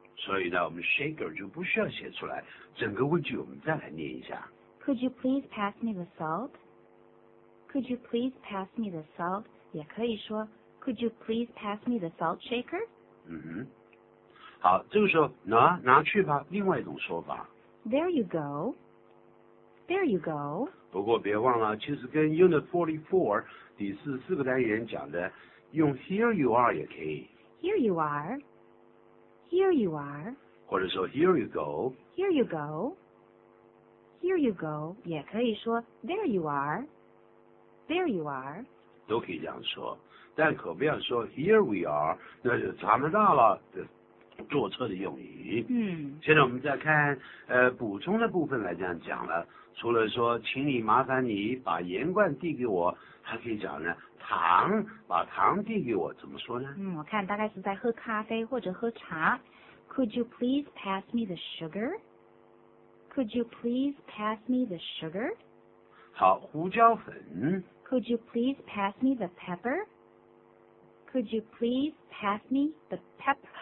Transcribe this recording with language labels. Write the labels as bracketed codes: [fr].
[zh] 所以呢我们 shaker 就不需要写出来，整个问句我们再来念一下。 [en] Could you please pass me the salt? Could you please pass me the salt? [zh] 也可以说 [en] Could you please pass me the salt shaker? [zh] 好，这个时候拿去吧，另外一种说法。 [en] There you go. There you go. [zh] 不过别忘了，其实跟 Unit 44 第44个单元讲的，用 [en] here you are [zh] 也可以。 [en] Here you are. Here you are. [zh] 或者说 [en] here you go. Here you go. Here you go. [zh] 也可以说 [en] there you are. There you are. [zh] 都可以这样说，但可不要说 [en] here we are， [zh] 那就查不到了。坐车的用语。现在我们再看补充的部分来这样讲了，除了说请你麻烦你把盐罐递给我，还可以讲呢糖，把糖递给我怎么说呢？我看大概是在喝咖啡或者喝茶。 [en] Could you please pass me the sugar? Could you please pass me the sugar? [zh] 好，胡椒粉。 [en] Could you please pass me the pepper? Could you please pass me the pepper?